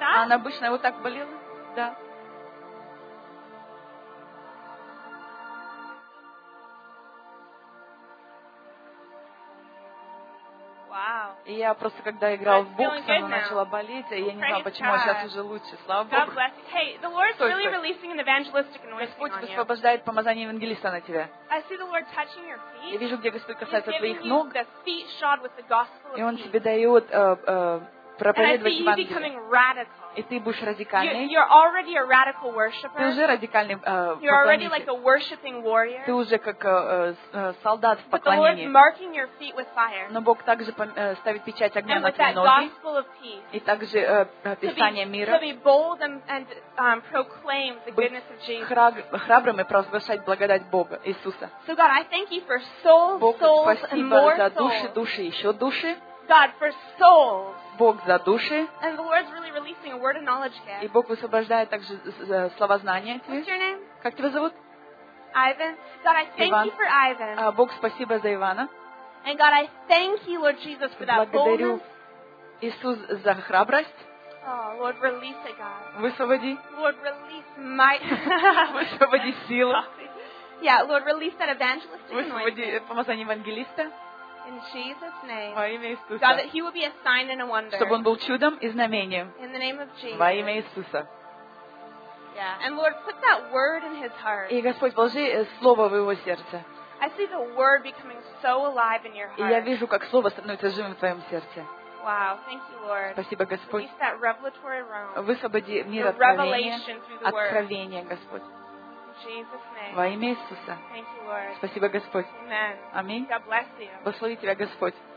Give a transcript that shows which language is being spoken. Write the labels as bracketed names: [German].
[Russian] А она обычно вот так болела, да. [English] Wow. [Russian] И я просто когда играл в бокс, она начала болеть, и я не знала почему, а сейчас уже лучше, слава Богу. [English] God bless you. Hey, the Lord's really releasing an evangelistic anointing on you. [Russian] Господь высвобождает помазание евангелиста на тебя. [English] I see the Lord touching your feet. [Russian] Я вижу, где Господь касается твоих ног. [English] He's giving you the feet shod with the gospel. [Russian] И он тебе дает проповедовать Евангелие. И ты будешь радикальный. [English] You're already a radical worshipper. [Russian] Ты уже радикальный поклонник. [English] You're already like a worshiping warrior. [Russian] Ты уже как солдат в поклонении. [English] But the Lord's marking your feet with fire. [Russian] Но Бог также ставит печать огня [English] and [Russian] на твои ноги. [English] Gospel of peace. [Russian] И также Писание мира. [English] To be bold and proclaim the goodness of Jesus. [Russian] Храбрым и провозглашать благодать Бога Иисуса. [English] So God, I thank you for souls, [Russian] Бог, [English] souls and more souls. [Russian] Бог, спасибо за души, души, еще души. [English] God for souls. [Russian] Бог за души. [English] And the Lord's really releasing a word of knowledge gift. [Russian] И Бог высвобождает также слова знания. [English] What's your name? [Russian] Как тебя зовут? [English] Ivan. God, I thank [Russian] Иван. [English] You for Ivan. [Russian] А Бог спасибо за Ивана. [English] And God, I thank you, Lord Jesus, for that boldness. [Russian] Благодарю Иисус за храбрость. [English] Oh, Lord, release it, God. [Russian] Высвободи. [English] Lord, release might. [Russian] Высвободи силу. [English] Yeah, Lord, release that evangelistic anointing. [Russian] Высвободи помазание евангелиста. [English] In Jesus' name. [Russian] Во имя Иисуса. [English] God, that he will be a sign and a wonder. [Russian] Чтобы он был чудом и знамением. [English] In the name of Jesus. [Russian] Во имя Иисуса. [English] Yeah. And Lord, put that word in his heart. [Russian] И Господь, вложи слово в его сердце. [English] I see the word becoming so alive in your heart. [Russian] И я вижу, как слово становится живым в твоем сердце. [English] Wow, thank you, Lord. [Russian] Спасибо, Господь. [English] Release that revelatory realm. [Russian] Высвободи мир откровения, Господь. Во имя Иисуса. [English] Thank you, Lord. [Russian] Спасибо, Господь. [English] Amen. [Russian] Аминь. [English] God bless you. [Russian] Благослови тебя, Господь.